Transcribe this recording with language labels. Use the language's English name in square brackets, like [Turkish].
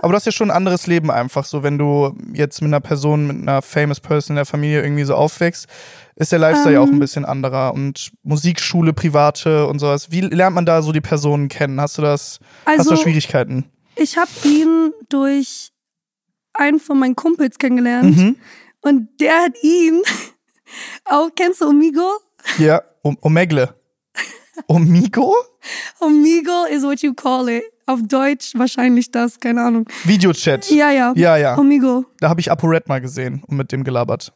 [German] Aber du hast ja schon ein anderes Leben einfach so, wenn du jetzt mit einer Person, mit einer [English] famous person [German] in der Familie irgendwie so aufwächst, ist der Lifestyle ja auch ein bisschen anderer und Musikschule, private und sowas. Wie lernt man da so die Personen kennen? Hast du da Schwierigkeiten? Ich habe ihn durch einen von meinen Kumpels kennengelernt. Mhm. Und der hat ihn auch, kennst du Omigo? Ja, Omegle. Omigo? [English] Omigo is what you call it. [German] Auf Deutsch wahrscheinlich das, keine Ahnung. Videochat. Ja. Omigo. Da habe ich Apo Red mal gesehen und mit dem gelabert.